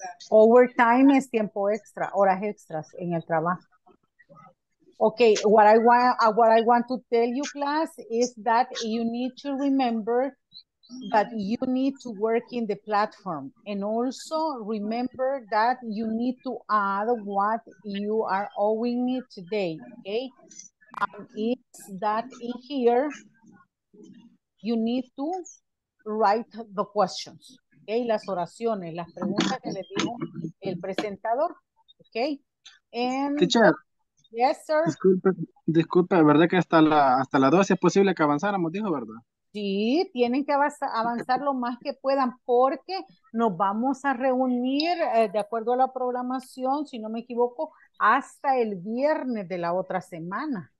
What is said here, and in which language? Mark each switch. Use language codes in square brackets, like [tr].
[es] Overtime es tiempo extra, horas extras en el trabajo. [en] Okay, what I want to tell you, class, is that you need to remember that you need to work in the platform. And also remember that you need to add what you are owing me today, okay? It's that in here, you need to write the questions, okay? [es] Las oraciones, las preguntas que le dijo el presentador, okay? [en] And teacher. Yes, sir. [es] Disculpe, ¿verdad que hasta la 12 es posible que avanzáramos, dijo, verdad? Sí, tienen que avanzar lo más que puedan porque nos vamos a reunir, de acuerdo a la programación, si no me equivoco, hasta el viernes de la otra semana.